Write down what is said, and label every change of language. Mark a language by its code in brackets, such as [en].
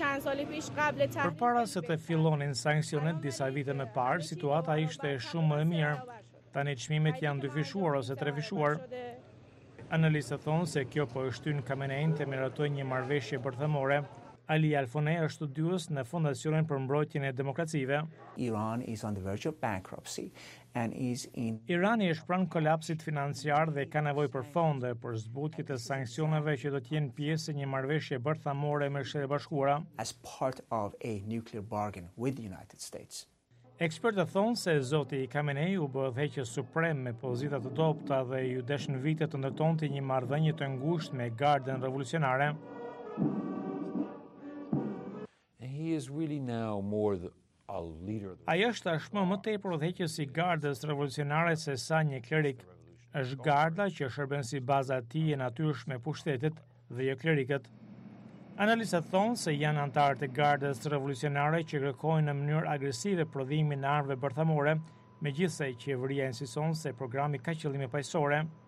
[sq] Për para se të fillonin sanksionet disa vite më parë, situata ishte shumë më e mirë. Tani çmimet janë dyfishuar ose trefishuar. Analistët thonë se kjo po e shtyn Khamenein të miratojë një marrëveshje bërthamore. Ali Alfonej është studiues në Fondacionin për mbrojtjen e demokracive. [en] Iran is on the verge of bankruptcy and is in [sq] Irani është pranë kolapsit financiar dhe ka nevojë për fonde për zbutje të sanksioneve që do të jenë pjesë e një marrëveshje bërthamore me Shtetet Bashkuara [en] as part of a nuclear bargain with the United States. [sq] Ekspertët thonë se zoti Khamenei u bë dhëqës suprem me pozita të dobta dhe ju deshën vite të ndërtonte një marrëdhënie të ngushtë me gardën revolucionare. [en] He is really now more the a leader. [sq] Ai është tashmë më tepër udhëheqës i gardës revolucionare se sa një klerik. Është garda që shërben si baza e tij e natyrshme pushtetit dhe jo klerikët. Analistët thonë se janë anëtarët e gardës revolucionare që kërkojnë në mënyrë agresive prodhimin e armëve bërthamore, megjithëse qeveria insiston se programi ka qëllime paqësore.